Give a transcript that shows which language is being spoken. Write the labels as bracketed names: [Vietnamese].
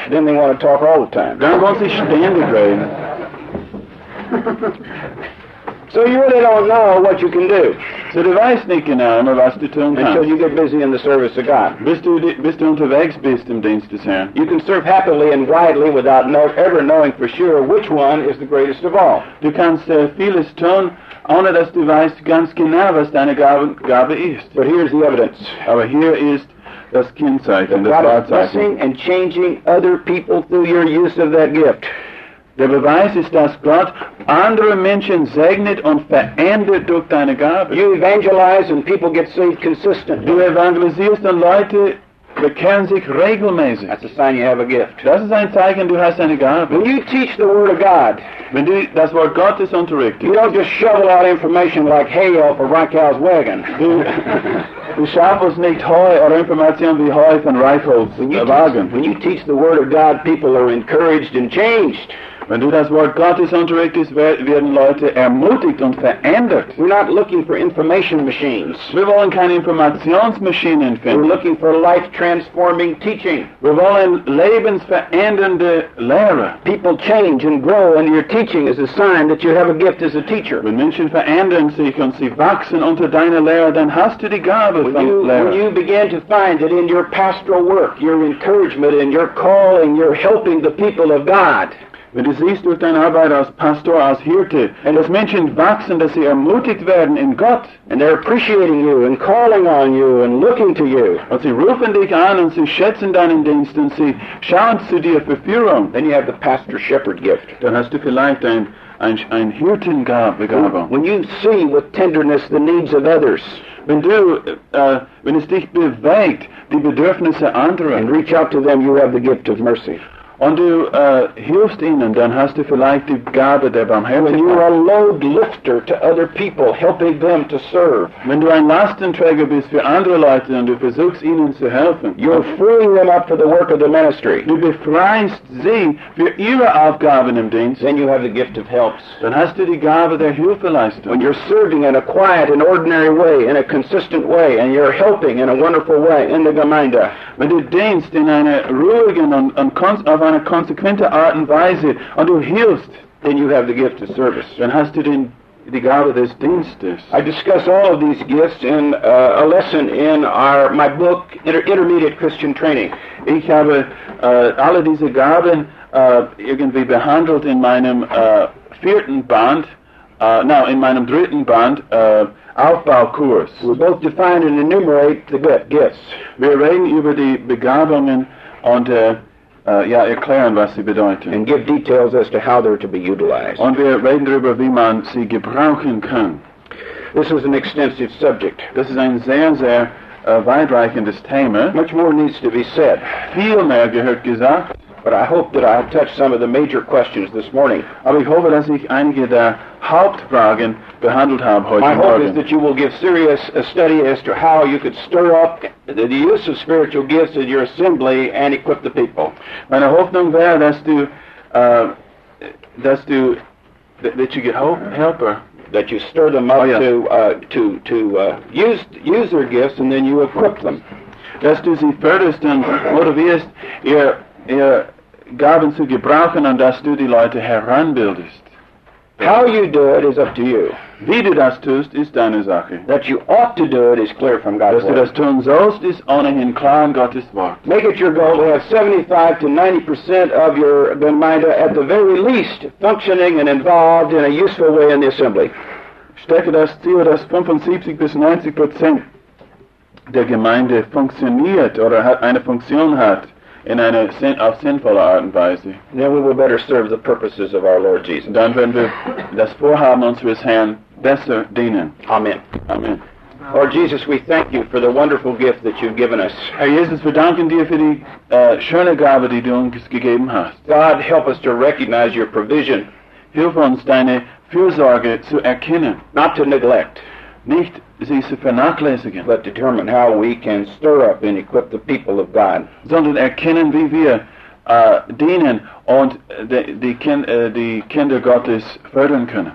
[English] Then they want to talk all the time. [German] Dann wollen sie ständig reden. [English] So you really don't know what you can do. [German] So du weißt nicht genau, nur was du tun kannst. [English] Until you get busy in the service of God. [German] Bist du unterwegs bist im Dienst des Herrn. [English] You can serve happily and widely without ever knowing for sure which one is the greatest of all. [German] Du kannst vieles tun, ohne dass du weißt ganz genau, was deine Gabe ist. [English] But here's the evidence. [German] Aber hier ist das Kennzeichen, das Wahrzeichen. [English] God is blessing and changing other people through your use of that gift. [German] Der Beweis ist, dass Gott andere Menschen segnet und verändert durch deine Gabe. [English] You evangelize and people get saved consistently. [German] Du evangelisierst und Leute bekehren sich regelmäßig. [English] That's a sign you have a gift. [German] Das ist ein Zeichen, du hast eine Gabe. [English] When you teach the Word of God, [German] wenn du das Wort Gottes unterrichtest, [English] you don't just shovel out information like hay off a Reichhaus wagon. [German] Du schaffst nicht Heu oder Informationen wie Heu von Reichhaus wagen. [English] When you teach the Word of God, people are encouraged and changed. [German] Wenn du das Wort Gottes unterrichtest, werden Leute ermutigt und verändert. [English] We're not looking for information machines. [German] Wir wollen keine Informationsmaschinen finden. [English] We're looking for life-transforming teaching. [German] Wir wollen lebensverändernde Lehre. [English] People change and grow, and your teaching is a sign that you have a gift as a teacher. [German] Wenn Menschen verändern sich und sie wachsen unter deiner Lehre, dann hast du die Gabe von Lehre. [English] When you begin to find that in your pastoral work, your encouragement and your calling, you're helping the people of God. [German] Wenn du siehst durch deine Arbeit als Pastor, als Hirte, und es Menschen wachsen, dass sie ermutigt werden in Gott, [English] and they're appreciating you and calling on you and looking to you, [German] und sie rufen dich an und sie schätzen deinen Dienst und sie schauen zu dir für Führung, [English] then you have the pastor shepherd gift. [German] Dann hast du vielleicht ein Hirtengabe. [English] When you see with tenderness the needs of others, [German] wenn es dich bewegt, die Bedürfnisse anderer, [English] and reach out to them, you have the gift of mercy. [German] Und du hilfst ihnen, dann hast du vielleicht die Gabe der Barmherzigkeit. [English] When you are a load lifter to other people, helping them to serve. [German] Wenn du ein Lastenträger bist für andere Leute und du versuchst ihnen zu helfen. [English] You're freeing them up for the work of the ministry. [German] Du befreist sie für ihre Aufgaben im Dienst. [English] Then you have the gift of helps. [German] Dann hast du die Gabe der Hilfeleistung. [English] When you're serving in a quiet and ordinary way, in a consistent way, and you're helping in a wonderful way in the Gemeinde. [German] Wenn du dienst in einer ruhigen und auf einer konsequenten Art und Weise und du hilfst, [English] then you have the gift of service. [German] Dann hast du den die Gabe des Dienstes. [English] I discuss all of these gifts in a lesson in my book, Intermediate Christian Training. [German] Ich habe alle diese Gaben irgendwie behandelt in meinem vierten Band, in meinem dritten Band, Aufbaukurs. [English] We both define and enumerate the gifts. [German] Wir reden über die Begabungen und erklären, was sie bedeuten. [English] And give details as to how they're to be utilized. [German] Und wir reden darüber, wie man sie gebrauchen kann. [English] This is an extensive subject. [German] Das ist ein sehr, sehr weitreichendes Thema. [English] Much more needs to be said. [German] Viel mehr gehört gesagt. [English] But I hope that I have touched some of the major questions this morning. [German] Aber ich hoffe, dass ich einige der Hauptfragen behandelt habe heute Morgen. [English] My hope is that you will give serious a study as to how you could stir up the use of spiritual gifts in your assembly and equip the people. [German] Meine Hoffnung wäre, dass du [English] stir them up to use their gifts and then you equip them. [German] Dass du sie förderst und motivierst, ihr Gaben zu gebrauchen und dass du die Leute heranbildest. [English] How you do it is up to you. [German] Wie du das tust, ist deine Sache. [English] That you ought to do it is clear from God's word. [German] Dass du das tun sollst, ist ohnehin klar in Gottes Wort. [English] Make it your goal to have 75% to 90% of your Gemeinde at the very least functioning and involved in a useful way in the assembly. [German] Stecke das Ziel, dass 75% bis 90% der Gemeinde funktioniert oder eine Funktion hat. In einer auf sinnvolle Art und Weise. [English] Then we will better serve the purposes of our Lord Jesus. [German] Dann werden wir das Vorhaben unseres Herrn besser dienen. [English] Amen. [German] Amen. [English] Lord Jesus, we thank you for the wonderful gift that you've given us. [German] Herr Jesus, wir danken dir für die schöne Gabe, die du uns gegeben hast. [English] God, help us to recognize your provision. [German] Hilf uns, deine Fürsorge zu erkennen. [English] Not to neglect. [German] Nicht sie zu vernachlässigen, [English] but determine how we can stir up and equip the people of God. [German] Sondern erkennen, wie wir dienen und die Kinder Gottes fördern können.